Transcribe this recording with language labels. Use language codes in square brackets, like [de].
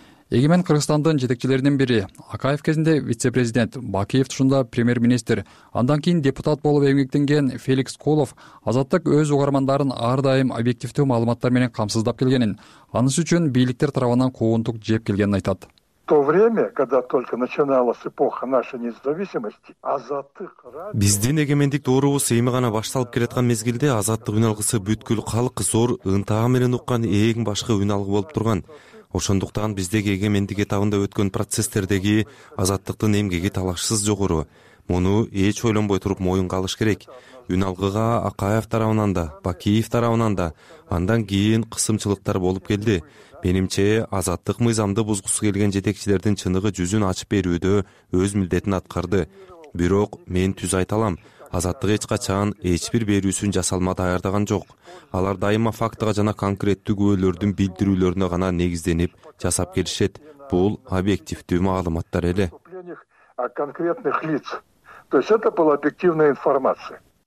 [ky] Эгемен Кыргызстандын жетекчилеринин бири, Акаев кезинде вице-президент, Бакиев тушунда премьер-министр, андан кийин депутат болуп эмгектенген Феликс Колов азаттык өз угармандарын ар дайым объективдүү маалыматтар менен камсыздап келгенин, анысы үчүн бийликтер тарабынан куугунтук жеп келгенин айтат. [ru] То время, когда только начиналась эпоха нашей независимости, азаттык радио... [ky] Биздин эгемендик доорубуз эми гана башталып келаткан мезгилде азаттык үн алгысы бүткүл халк зор ынтыга менен уккан эң башкы үн алгы болуп турган. Ошондуктан биздеги эгемендик этабында өткөн процесстердеги азаттыктын эмгеги талашсыз жогору. Муну эч ойлонбой туруп моюнга алыш керек. Үн алгыга Акаев тарабынан да, Бакиев тарабынан да андан кийин кысымчылыктар болуп келди. Менимче, азаттык мыйзамды бузгусу келген жетекчилердин чыныгы жүзүн ачып берүүдө өз милдетин аткарды. Бирок мен түз айта алам. Азаттык эч качан эч бир берүүсүн жасалма даярдаган жок. Алар дайыма фактыга жана конкреттүү күбөлөрдүн билдирүүлөрүнө гана негизденип жасап келишет. Бул объективдүү маалыматтар эле. [ru] Конкретных лиц. То есть это была объективная информация.